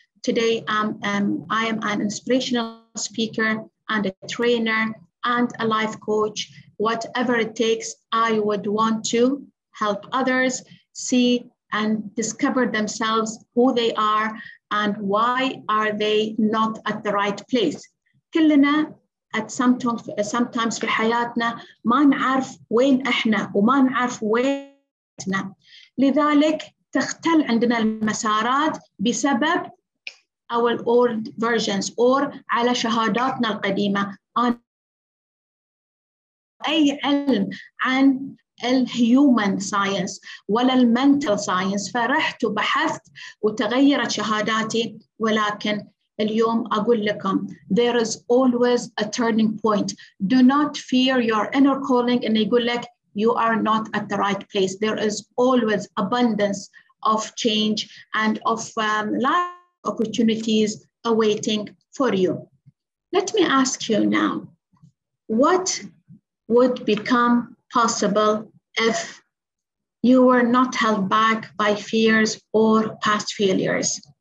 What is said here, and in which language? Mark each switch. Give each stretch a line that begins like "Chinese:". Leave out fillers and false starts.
English: Today, I am an inspirational speaker and a trainer and a life coach. Whatever it takes, I would want to help others see and discover themselves, who they are and why are they not at the right place.
Arabic: كلنا at sometimes في حياتنا ما نعرف وين احنا وما نعرف وينتنا لذلك تختل عندنا المسارات بسبب
English: our old versions
Arabic: or على شهاداتنا القديمة عن اي علم عن الhuman science ولا المنتال science فرحت وبحثت وتغيرت شهاداتي ولكن اليوم أقول لكم
English: there is always a turning point. Do not fear your inner calling and
Arabic: يقول لك
English: you are not at the right place. There is always abundance of change and of life opportunities awaiting for you. Let me ask you now, what would become possible if you were not held back by fears or past failures?